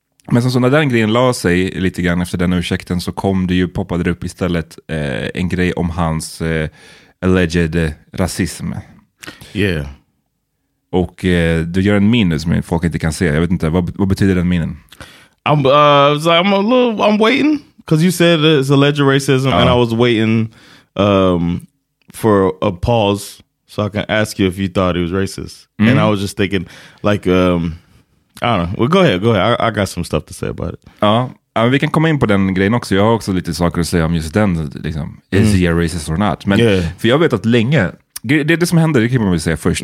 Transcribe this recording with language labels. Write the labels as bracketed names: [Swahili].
[Swedish] Men så när den grejen la sig lite grann efter den ursäkten, så kom det ju, poppade upp istället en grej om hans alleged rasism. [English] Yeah. [Swedish] Och du gör en min som folk inte kan se. Jag vet inte, vad betyder den minen? [English] I'm waiting, because you said it's alleged racism, and I was waiting for a pause so I can ask you if you thought he was racist. And I was just thinking, like, I don't know. Well, go ahead. I got some stuff to say about it. [Swedish] Ja, vi kan komma in på den grejen också. Jag har också lite saker att säga om just den, liksom, [English] is he a racist or not? [Swedish] Men, för jag vet att länge, det som händer, det kan man väl säga först.